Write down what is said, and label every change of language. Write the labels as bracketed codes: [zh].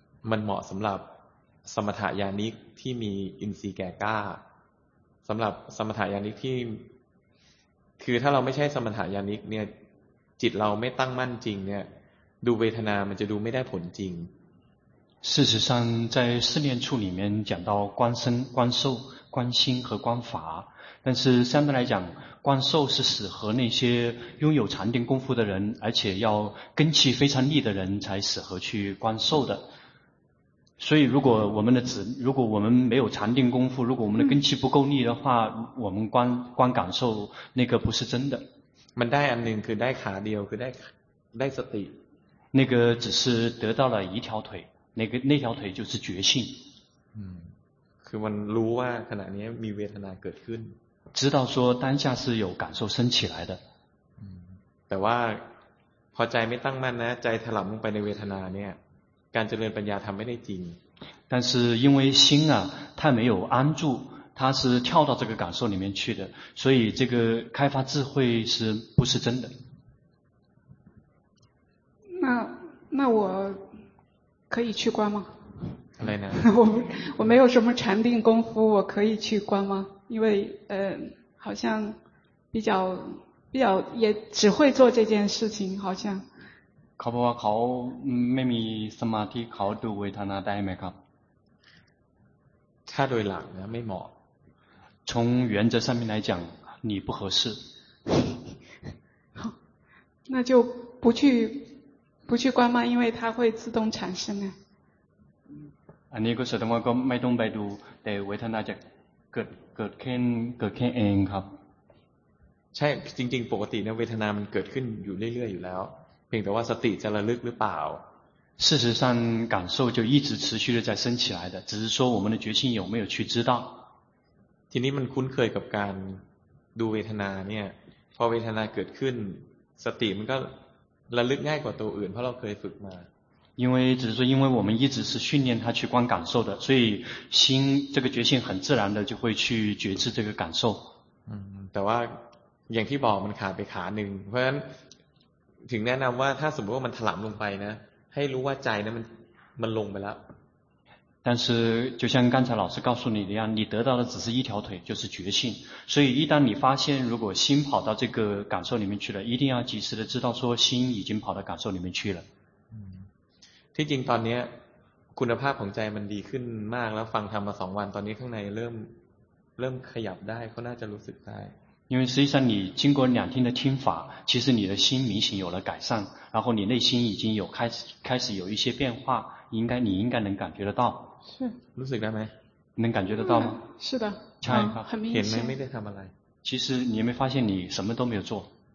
[th] มันเหมาะสำหรับสมถญาณิกที่มีอินทรีย์แก่กล้าสำหรับสมถญาณิกที่คือถ้าเราไม่ใช่สมถญาณิกเนี่ยจิตเราไม่ตั้งมั่นจริงเนี่ยดูเวทนามันจะดูไม่ได้ผลจริง [zh] 事实上在四念处里面讲到观身观受观心和观法，但是相对来讲观受是适合那些拥有禅定功夫的人，而且要根气非常利的人才适合去观受的。所以如果我们没有禅定功夫，如果我们的根气不够利的话，我们观感受那个不是真的。 [th] มันได้อันหนึ่งคือได้ขาเดียวคือได้สติ [zh] 那个只是得到了一条腿那条腿就是觉性， [th] คือมันรู้ว่าขณะนี้มีเวทนาเกิดขึ้น [zh] 知道说当下是有感受升起来的， [th] แต่ว่าพอใจไม่ตั้งมั่นนะใจถลำลงไปในเวทนาเนี่ยการเจริญปัญญาทำไม่ได้จริง [zh] 但是因为心啊它没有安住它是跳到这个感受里面去的所以这个开发智慧是不是真的那我可以去观吗？来呢？我没有什么禅定功夫，我可以去观吗？因为好像比较也只会做这件事情，好像。 [th] เขาบอกว่าเขาไม่มีสมาธิเขาดูเวทนาได้ไหมครับ？ ถ้าโดยหลักนะไม่เหมาะ。 [zh] 从原则上面来讲，你不合适。好，那就不去观吗？因为它会自动产生的。 [th] อันนี้ก็แสดงว่าก็ไม่ต้องไปดูแต่เวทนาจะเกิดขึ้นเองครับ ใช่จริงๆปกติเนี่ยเวทนามันเกิดขึ้นอยู่เรื่อยๆอยู่แล้วเพียงแต่ว่าสติจะระลึกหรือเปล่า [zh] 事实上感受就一直持续的在升起来的只是说我们的觉性有没有去知道 [th] ทีนี้มันคุ้นเคยกับการดูเวทนาเนี่ยพอเวทนาเกิดขึ้นสติมันก็ระลึกง่ายกว่าตัวอื่นเพราะเราเคยฝึกมา [zh] 因为我们一直是训练他去观感受的所以心这个觉性很自然的就会去觉知这个感受 [th] แต่ว่าอย่างที่บอกมันขาดไปขาหนึ่งเพราะฉะนั้นถึงแนะนำว่าถ้าสมมติว่ามันถลำลงไปนะให้รู้ว่าใจนั้นมันลงไปแล้ว [zh] 但是就像刚才老师告诉你的样你得到的只是一条腿就是觉性所以一旦你发现如果心跑到这个感受里面去了一定要及时的知道说心已经跑到感受里面去了 [th] ที่จริงตอนนี้คุณภาพของใจมันดีขึ้นมากแล้วฟังธรรมมา2วันตอนนี้ข้างในเริ่มขยับได้เขาน่าจะรู้สึกได้ [zh] 因为实际上你经过两天的听法其实你的心明显有了改善然后你内心已经有开始有一些变化你应该能感觉得到是 [th] รู้สึกได้ไ [zh] หม能感觉得到吗是的 [th] ใช่ครับ [zh] 很明显 [th] เห็นไหมไม่ได้ทำอะไร [zh] 其实你有没有发现你什么都没有做